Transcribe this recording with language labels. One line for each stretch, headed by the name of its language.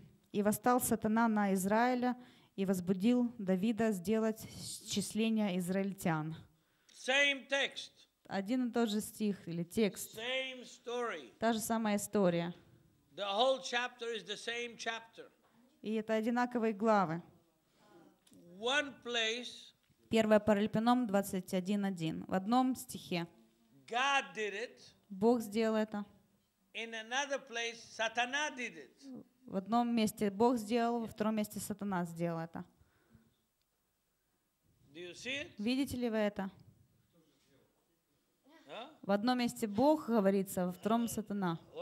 Russian: И восстал сатана на Израиля и возбудил Давида сделать счисление израильтян.
English: Same text.
Russian: Один и тот же стих или текст.
English: Same story.
Russian: Та же самая история.
English: The whole chapter is the same chapter.
Russian: И это одинаковые главы.
English: One place.
Russian: Первое Паралипоменон 21:1. В одном стихе.
English: God did it.
Russian: Бог сделал это.
English: In another place, Satana did it.
Russian: В одном месте Бог сделал, во втором месте сатана сделал это. Видите ли вы это? В одном месте Бог говорится, во втором сатана.